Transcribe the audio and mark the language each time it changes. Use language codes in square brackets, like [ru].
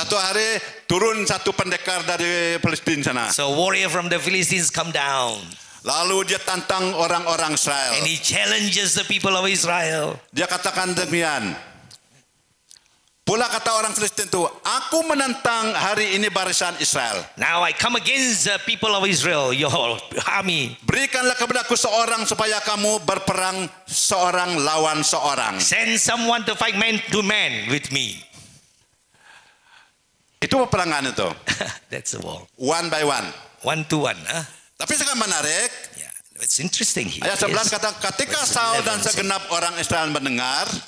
[ms] Satu hari turun satu pendekar dari Palestin sana. [en] So warrior from the Philistines come down. [ms] Lalu dia tantang orang-orang Israel. [en] And he challenges the people of Israel. [ms] Dia katakan demikian. Pula kata orang Filistin itu, aku menentang hari ini barisan Israel. [en] Now I come against the people of Israel, your army. [ms] Berikanlah kepadaku seorang supaya kamu berperang seorang lawan seorang. [en] Send someone to fight man to man with me. [ms] Itu peperangan itu. [en] That's the war. One by one. One to one. [ms] Tapi sangat menarik. [en] It's interesting here. [ms] Ayat 11 kata, ketika Saul dan segenap orang Israel mendengar,